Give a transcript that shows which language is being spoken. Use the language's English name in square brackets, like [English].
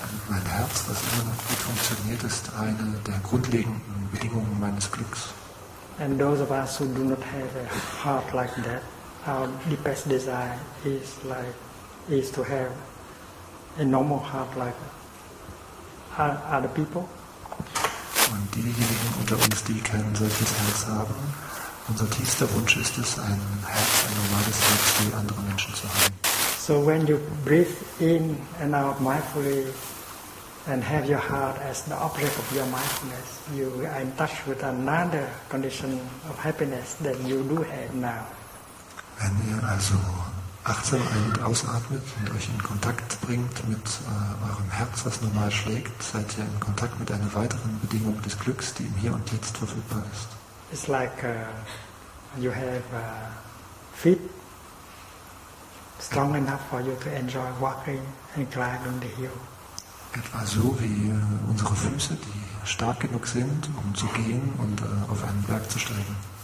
[German] Mein Herz, das immer noch gut funktioniert, ist eine der grundlegenden Bedingungen meines Glücks. [English] And those of us who do not have a heart like that, our deepest desire is to have a normal heart like other people. [German] Und diejenigen unter uns, die kein solches Herz haben, unser tiefster Wunsch ist es, ein normales Herz wie andere Menschen zu haben. [English] So when you breathe in and out mindfully and have your heart as the object of your mindfulness, you are in touch with another condition of happiness that you do have now. [German] Wenn ihr also achtsam ein- und ausatmet und euch in Kontakt bringt mit eurem Herz, was normal schlägt, seid ihr in Kontakt mit einer weiteren Bedingung des Glücks, die im Hier und Jetzt verfügbar ist. [English] It's like you have feet strong enough for you to enjoy walking and climbing the hill. [German] Etwa so wie unsere Füße, die stark genug sind, um zu gehen und auf einen Berg zu steigen.